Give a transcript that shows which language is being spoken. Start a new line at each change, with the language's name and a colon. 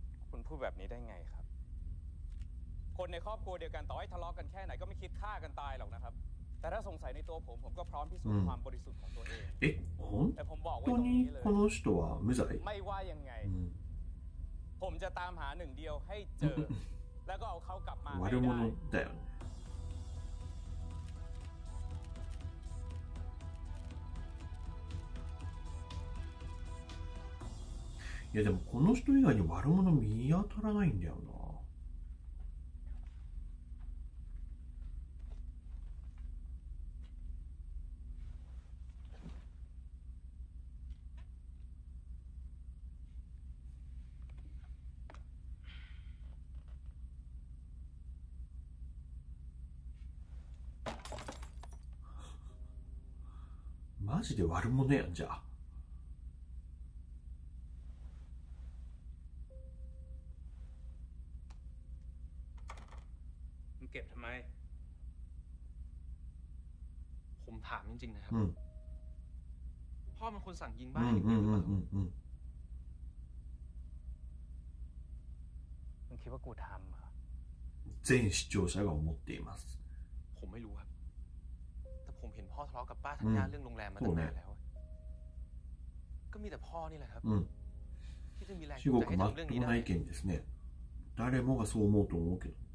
Thai: คุณพูดแบบนี้ได้ไงครับคนในครอบครัวเดียวกันต่อให้ทะเลาะกันแค่ไหนก็ไม่คิดฆ่ากันตายหรอกนะครับแต่ถ้าสงสัยในตัวผมผมก็พร้อมพิสูจน์ความบริสุทธิ์ของตัวเอง
Japanese: เอ๊ะ本当にこの人は無罪
Thai: ไม่ว่ายังไงผมจะตามหาหนึ่งเดียวให้เจอแล้วก็เอาเขากลับมา ให้ได้
Japanese: いやでもこの人以外に悪者見当たらないんだよな。マジで悪者やんじゃ。
Thai: เก็บทำไม ผมถามจริงๆนะครับ พ่อมันคนสั่งยิงบ้านอีกหรือเปล่ามันคิดว่ากูทำเหร
Japanese: อ全視聴者が思っています
Thai: ผมไม่รู้ครับแต่ผมเห็นพ่อทะเลาะกับป้าทั้งงานเรื่องโรงแรมมาตั้งนานแล้วก็มีแต่พ่อนี่แหละครับที่จะมีแรง จูงใจให้ทำเรื่องนี้ได้
Japanese: 中国全くない意見ですね誰もがそう思うと思うけど